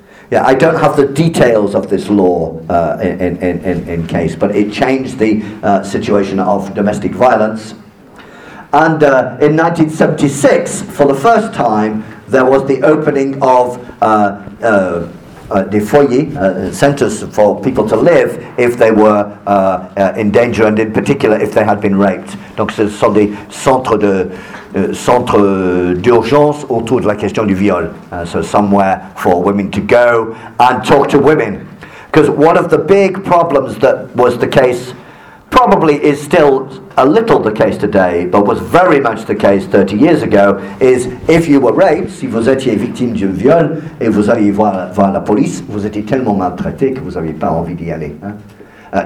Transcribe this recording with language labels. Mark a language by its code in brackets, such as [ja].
[en] Yeah, I don't have the details of this law in case, but it changed the situation of domestic violence. And in 1976, for the first time, there was the opening of the foyer, centers for people to live if they were in danger, and in particular if they had been raped. [fr] Donc ce sont des centres de centre d'urgence autour de la question du viol. [en] So somewhere for women to go and talk to women. Because one of the big problems that was the case, probably is still a little the case today, but was very much the case 30 years ago, is if you were raped, [fr] si vous étiez victime d'un viol, et vous alliez voir la police, vous étiez tellement maltraité que vous n'aviez pas envie d'y aller. Hein?